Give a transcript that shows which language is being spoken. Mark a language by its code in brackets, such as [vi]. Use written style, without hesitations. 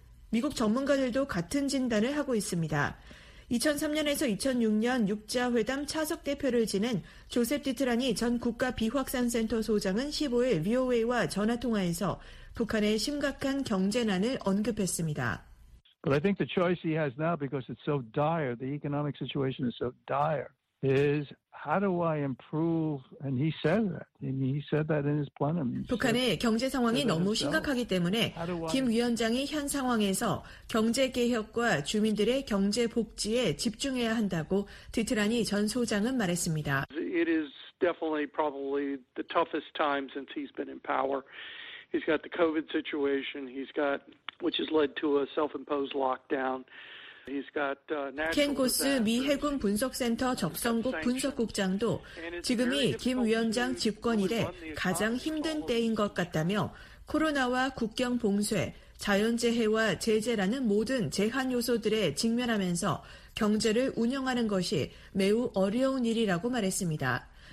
[ko] 미국 전문가들도 같은 진단을 하고 있습니다. 2003년에서 2006년 6자회담 차석 대표를 지낸 조셉 디트라니 전 국가비확산센터 소장은 15일 VOA와 전화통화에서 북한의 심각한 경제난을 언급했습니다. [en] But I think the choice he has now, because it's so dire, the economic situation is so dire, is how do I improve? And he said that. And he said that in his plenum. [ko] 북한의 경제 상황이 너무 심각하기 때문에 김 위원장이 현 상황에서 경제 개혁과 주민들의 경제 복지에 집중해야 한다고 디트라니 전 소장은 말했습니다. [en] It is definitely probably the toughest time since he's been in power. He's got the COVID situation. He's got which has led to a self-imposed lockdown. He's got national. [ko] 켄 고스 미 해군 분석센터 접성국 분석국장도 지금이 김 위원장 집권 이래 가장 힘든 때인 것 같다며 코로나와 국경 봉쇄, 자연재해와 제재라는 모든 제한 요소들에 직면하면서 경제를 운영하는 것이 매우 어려운 일이라고 말했습니다.